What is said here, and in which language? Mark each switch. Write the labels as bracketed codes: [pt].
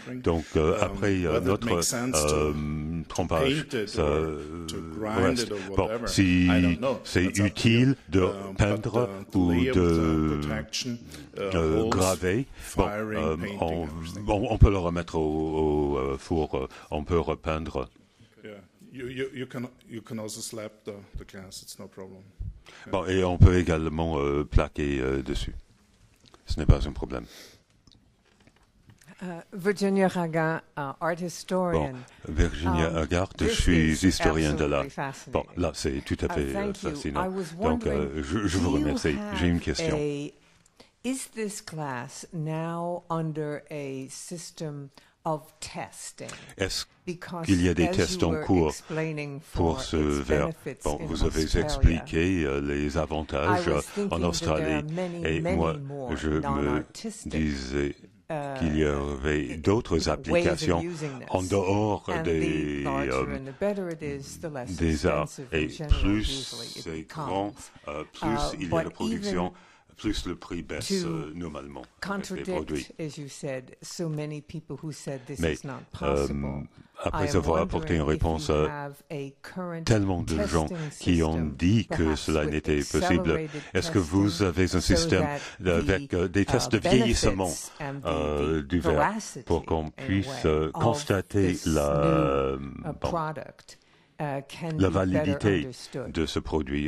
[fr] Donc après notre trempage, ça reste. Bon, si c'est utile de peindre ou de graver, bon, on peut le remettre au four, on peut repeindre. [en] You can also slap the glass, it's no problem. [fr] Bon, et on peut également plaquer dessus. Ce n'est pas un problème. [en] Virginia Hagar, art historian. [fr] Bon, Virginia Hagar, je suis historienne de l'art. Bon, là, c'est tout à fait fascinant. Donc, je vous remercie. J'ai une question. [en] Is this glass now under a system of testing? [fr] Est-ce qu'il y a des tests en cours pour ce verre? Bon, vous avez expliqué les avantages en Australie. Et moi, je me disais qu'il y avait d'autres applications en dehors des arts. Et plus c'est grand, plus il y a de production, plus le prix baisse normalement avec les produits. [en] As you said, so many people who said this [fr] mais [en] is not possible, [fr] après avoir apporté une réponse à tellement de gens qui ont dit que cela n'était possible, est-ce que vous avez un système avec des tests de vieillissement du verre pour qu'on puisse constater la validité de ce produit?